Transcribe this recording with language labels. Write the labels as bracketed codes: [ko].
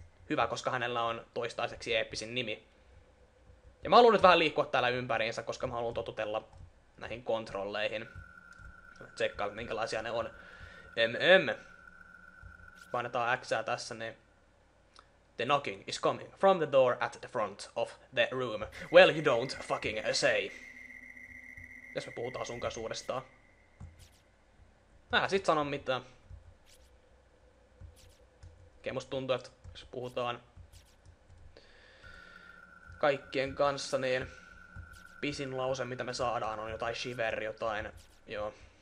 [fi] Hyvä, koska hänellä on toistaiseksi eeppisin nimi. Ja mä haluan nyt vähän liikkua täällä ympäriinsä, koska mä haluan totutella näihin kontrolleihin. Tsekkaa, minkälaisia ne on. Painetaan X-ää tässä, niin... [en] The knocking is coming from the door at the front of the room. Well, you don't fucking say. [fi] Jos me puhutaan sun kanssa uudestaan. Sit sano mitään. Okei, musta tuntuu, että jos puhutaan kaikkien kanssa, niin pisin lause, mitä me saadaan, on jotain shiver, jotain... Joo.